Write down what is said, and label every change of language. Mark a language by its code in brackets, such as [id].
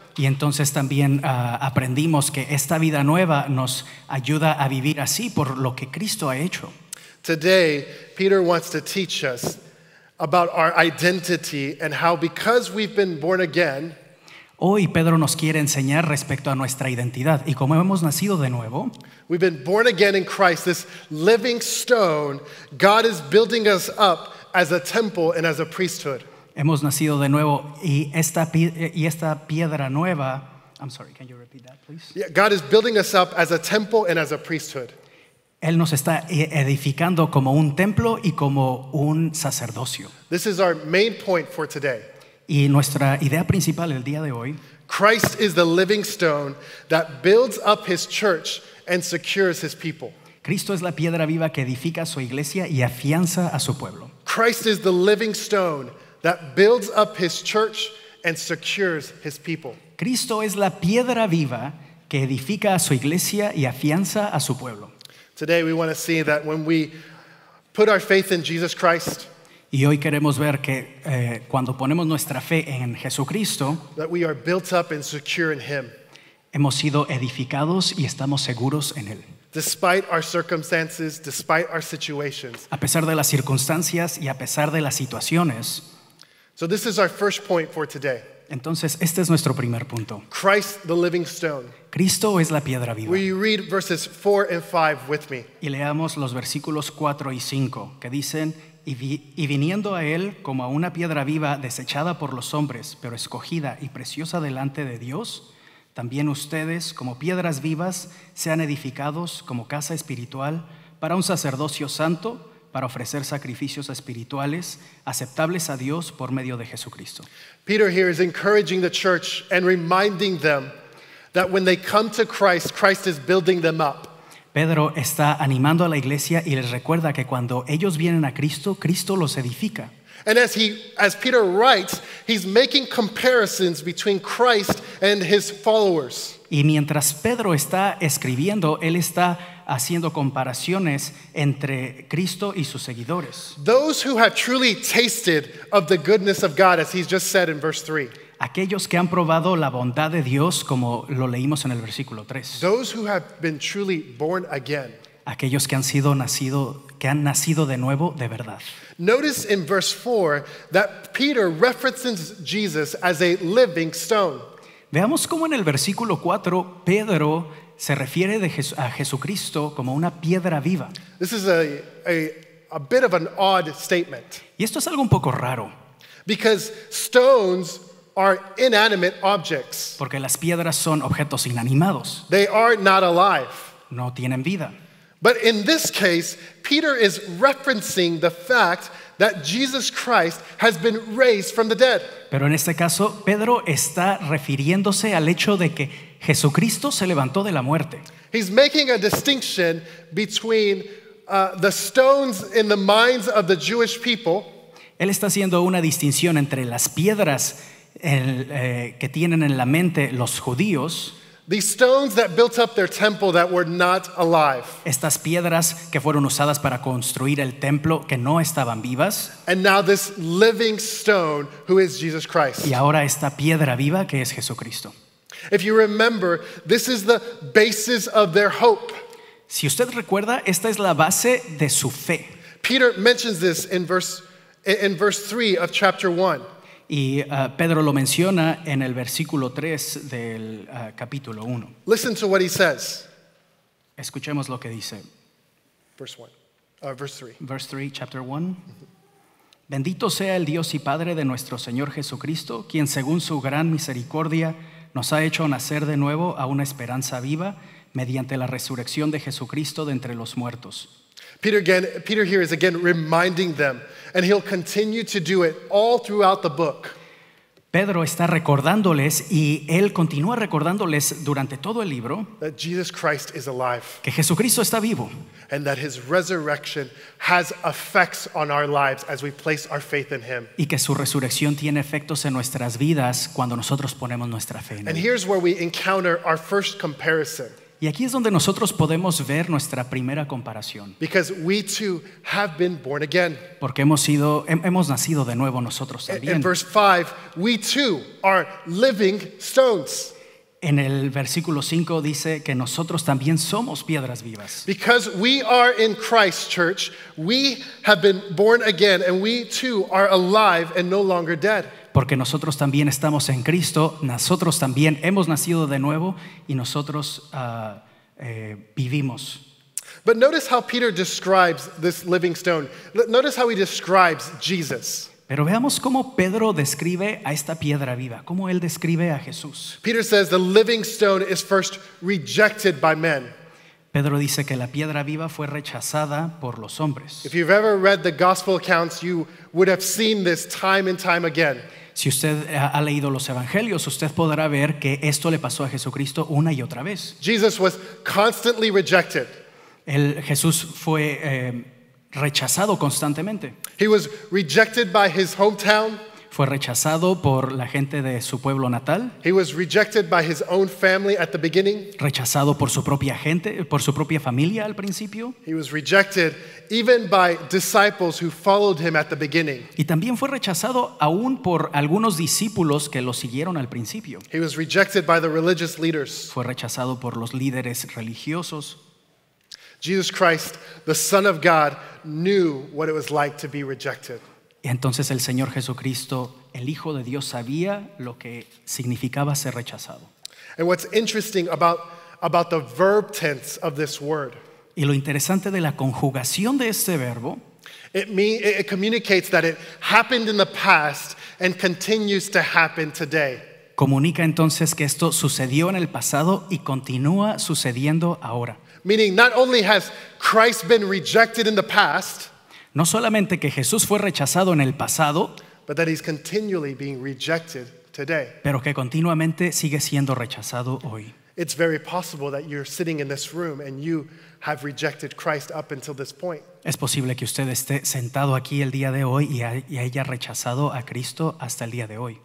[es] Y entonces también aprendimos que esta vida nueva nos ayuda a vivir así por lo que Cristo ha hecho. [en] Today, Peter wants to teach us about our identity and how because we've been born again, [es] hoy Pedro nos quiere enseñar respecto a nuestra identidad y como hemos nacido de nuevo. [en] We've been born again in Christ, this living stone. God is building us up as a temple and as a priesthood. [es] Hemos nacido de nuevo y esta piedra nueva. [en] I'm sorry, can you repeat that, please? Yeah, God is building us up as a temple and as a priesthood. [es] Él nos está edificando como un templo y como un sacerdocio. [en] This is our main point for today. [es] Y nuestra idea principal el día de hoy. [en] Christ is the living stone that builds up his church and secures his people. [es] Cristo es la piedra viva que edifica su iglesia y afianza a su pueblo. [en] Christ is the living stone that builds up his church and secures his people. [es] Cristo es la piedra viva que edifica a su iglesia y afianza a su pueblo. [en] Today we want to see that when we put our faith in Jesus Christ, [es] y hoy queremos ver que cuando ponemos nuestra fe en Jesucristo, [en] that we are built up and secure in him. [es] Hemos sido edificados y estamos seguros en él. [en] Despite our circumstances, despite our situations. [es] A pesar de las circunstancias y a pesar de las situaciones. [en] So this is our first point for today. [es] Entonces, este es nuestro primer punto. [en] Christ the living stone. [es] Cristo es la piedra viva. [en] Will you read verses 4 and 5 with me? [es] Y leamos los versículos 4 y 5, que dicen, y viniendo a él como a una piedra viva desechada por los hombres, pero escogida y preciosa delante de Dios, también ustedes, como piedras vivas, sean edificados como casa espiritual para un sacerdocio santo, para ofrecer sacrificios espirituales aceptables a Dios por medio de Jesucristo. [en] Peter here is encouraging the church and reminding them that when they come to Christ, Christ is building them up. [es] Pedro está animando a la iglesia y les recuerda que cuando ellos vienen a Cristo, Cristo los edifica. [en] And as Peter writes, he's making comparisons between Christ and his followers. [es] Y mientras Pedro está escribiendo, él está haciendo comparaciones entre Cristo y sus seguidores. [en] Those who have truly tasted of the goodness of God, as he's just said in verse 3. [es] Aquellos que han probado la bondad de Dios, como lo leímos en el versículo 3. [en] Those who have been truly born again. [es] Aquellos que han sido nacido, que han nacido de nuevo de verdad. [en] Notice in verse 4 that Peter references Jesus as a living stone. [es] Veamos cómo en el versículo 4 Pedro se refiere a Jesucristo como una piedra viva. [en] This is a bit of an odd statement. [es] Y esto es algo un poco raro. [en] Because stones are inanimate objects. [es] Porque las piedras son objetos inanimados. [en] They are not alive. [es] No tienen vida. [en] But in this case, Peter is referencing the fact that Jesus Christ has been raised from the dead. [es] Pero en este caso, Pedro está refiriéndose al hecho de que Jesucristo se levantó de la muerte. [en] He's making a distinction between the stones in the minds of the Jewish people. [es] Él está haciendo una distinción entre las piedras que tienen en la mente los judíos. [en] These stones that built up their temple that were not alive. [es] Estas piedras que fueron usadas para construir el templo que no estaban vivas. [en] And now this living stone who is Jesus Christ. [es] Y ahora esta piedra viva que es Jesucristo. [en] If you remember, this is the basis of their hope. [es] Si usted recuerda, esta es la base de su fe. [en] Peter mentions this in verse 3 of chapter 1. [es] Y Pedro lo menciona en el versículo 3 del capítulo 1. [en] Listen to what he says. [es] Escuchemos lo que dice. [en] Verse 3, chapter 1. Mm-hmm. [es] Bendito sea el Dios y Padre de nuestro Señor Jesucristo, quien según su gran misericordia nos ha hecho nacer de nuevo a una esperanza viva mediante la resurrección de Jesucristo de entre los muertos. [en] Peter here is again reminding them, and he'll continue to do it all throughout the book. [es] Pedro está recordándoles y él continúa recordándoles durante todo el libro [en] that Jesus Christ is alive. [es] Que Jesucristo está vivo. [en] And that his resurrection has effects on our lives as we place our faith in him. [es] Y que su resurrección tiene efectos en nuestras vidas cuando nosotros ponemos nuestra fe en él. [en] And here's where we encounter our first comparison. [es] Y aquí es donde nosotros podemos ver nuestra primera comparación. [en] Because we too have been born again. [es] Porque hemos nacido de nuevo nosotros también. [en] In verse 5, we too are living stones. [es] En el versículo 5 dice que nosotros también somos piedras vivas. [en] Because we are in Christ, church, we have been born again and we too are alive and no longer dead. [es] Porque nosotros también estamos en Cristo, nosotros también hemos nacido de nuevo y nosotros vivimos. [en] But notice how Peter describes this living stone. Notice how he describes Jesus. [es] Pero veamos cómo Pedro describe a esta piedra viva, cómo él describe a Jesús. [en] Peter says the living stone is first rejected by men. [es] Pedro dice que la piedra viva fue rechazada por los hombres. [en] If you've ever read the gospel accounts, you would have seen this time and time again. [es] Si usted ha leído los evangelios, usted podrá ver que esto le pasó a Jesucristo una y otra vez. [en] Jesus was constantly rejected. [es] Jesús fue rechazado constantemente. [en] He was rejected by his hometown. [es] Fue rechazado por la gente de su pueblo natal. [en] He was rejected by his own family at the beginning. [es] Rechazado por su propia gente, por su propia familia al principio. [en] He was rejected even by disciples who followed him at the beginning. [es] Y también fue rechazado aún por algunos discípulos que lo siguieron al principio. [en] He was rejected by the religious leaders. [es] Fue rechazado por los líderes religiosos. [en] Jesus Christ, the Son of God, knew what it was like to be rejected. [es] Y entonces el Señor Jesucristo, el Hijo de Dios, sabía lo que significaba ser rechazado. [en] And what's interesting about the verb tense of this word. [es] Y lo interesante de la conjugación de este verbo. [en] It communicates that it happened in the past and continues to happen today. [es] Comunica entonces que esto sucedió en el pasado y continúa sucediendo ahora. [en] Meaning, not only has Christ been rejected in the past. [es] No solamente que Jesús fue rechazado en el pasado, [en] but that he's continually being rejected today. [es] Pero que continuamente sigue siendo rechazado hoy. [en] It's very possible that you're sitting in this room and you have rejected Christ up until this point. [es] Es posible que usted esté sentado aquí el día de hoy y haya rechazado a Cristo hasta el día de hoy.